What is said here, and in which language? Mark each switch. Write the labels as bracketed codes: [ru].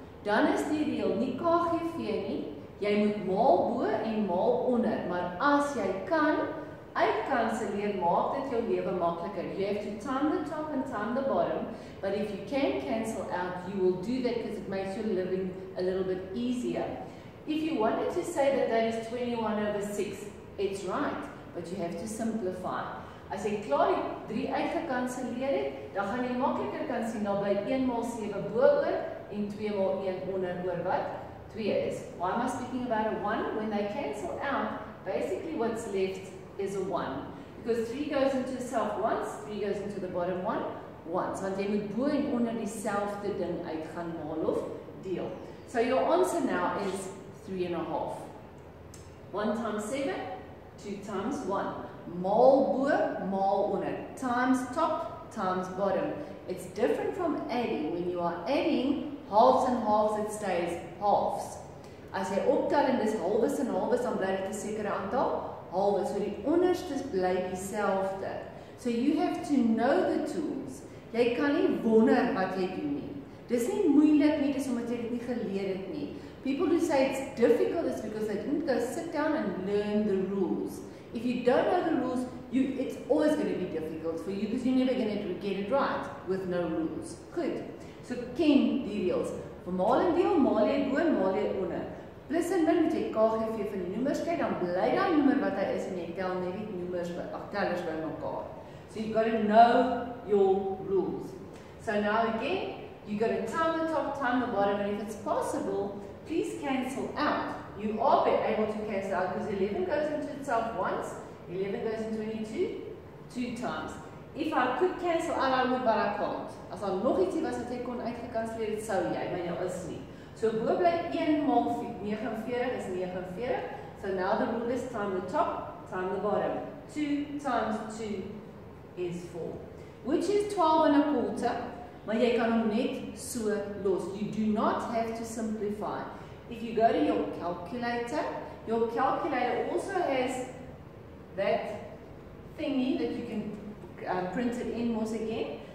[af] Dan is die reël nie KGV nie. Jy moet maal bo en maal onder, maar as jy kan, uitkanselleer, maak dit jou lewe makliker. [en] You have to time the top and time the bottom, but if you can cancel out, you will do that because it makes your living a little bit easier. If you wanted to say that that is 21 over 6, it's right, but you have to simplify. [af] As jy klaar 3 uitgekanselleer het, dan gaan jy makliker kan sien, dan bly 1 maal 7 bo oor en 2 maal 1 onder oor wat? [en] 2 is. Why am I speaking about a 1? When they cancel out, basically what's left is a 1. Because 3 goes into the self once, 3 goes into the bottom one, once. [af] Want jy moet bo en onder dieselfde ding uit gaan maal of deel. [en] So your answer now is 3.5. 1 times 7, 2 times 1. [af] Maal bo, maal onder. [en] Times top, times bottom. It's different from adding. When you are adding halves and halves, it stays halves. [af] As jy optel en dis halves en halves, dan bly dit 'n sekere aantal halves. So die onderste bly dieselfde. [en] So you have to know the tools. [af] Jy kan nie wonder wat jy doen nie. Dis nie moeilik nie, dis omdat jy dit nie geleer het nie. [en] People who say it's difficult is because they didn't go sit down and learn the rules. If you don't know the rules, it's always going to be difficult for you because you're never going to get it right with no rules. [af] Goed. So ken die reëls. Vir maal en deel, maal jy bo, maal jy onder. Plus en min moet jy KGV van die noemers kry, dan bly daai noemer wat hy is en jy tel net die noemers, ag tellers by mekaar. [en] So you've got to know your rules. So now again, you've got to time the top, time the bottom, and if it's possible, please cancel out. You are able to cancel out because 11 goes into itself once, 11 goes into 22, 2 times. If I could cancel out, I would, but I can't. [af] As daar nog ietsie was wat jy kon uitgekanselleer, dit sou jy, maar jou is nie. So bo bly 1 maal 49 is 49. [en] So now the rule is time the top, time the bottom. 2 times 2 is 4. Which is 12 and a quarter, [af] maar jy kan hom net so los. [en] You do not have to simplify. If you go to your calculator also has that thingy that you can print it in once again.